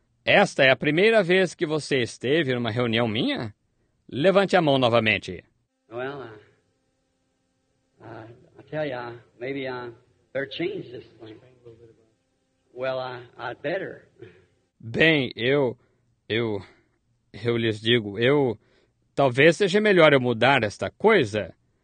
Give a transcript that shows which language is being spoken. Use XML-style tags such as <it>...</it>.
<pt>Esta é a primeira vez que você esteve numa reunião minha? Levante a mão novamente.</pt> <en>Well, I tell you, maybe they're changed this thing. Well, I'd better.</en> <pt>Bem, eu lhes digo, talvez seja melhor eu mudar esta coisa.</pt>